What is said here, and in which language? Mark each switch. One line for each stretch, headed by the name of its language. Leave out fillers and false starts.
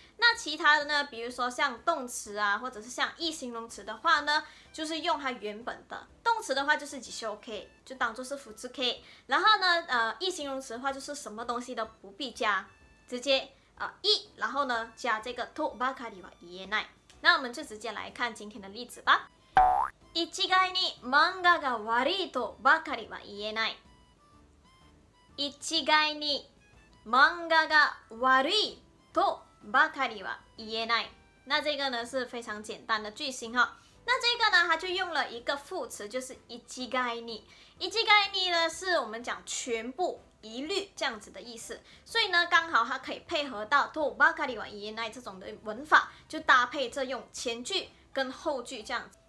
Chinese: 那其他的呢，比如说像动词啊，或者是像一形容词的话呢，就是用它原本的。动词的话就是自称 K， 就当作是辅助 K。然后呢，一形容词的话就是什么东西都不必加，直接一，然后呢加这个
Japanese: とばかりは言えない。
Chinese: 那我们就直接来看今天的例子吧。
Japanese: 一概に漫画が悪いとばかりは言えない。一概に漫画が悪いとばかりは言えない。
Chinese: 那这个呢是非常简单的句型哈。那这个呢，它就用了一个副词，就是一概に。一概に呢，是我们讲全部、一律这样子的意思。所以呢，刚好它可以配合到とばかりは言えない这种的文法，就搭配着用前句跟后句这样子。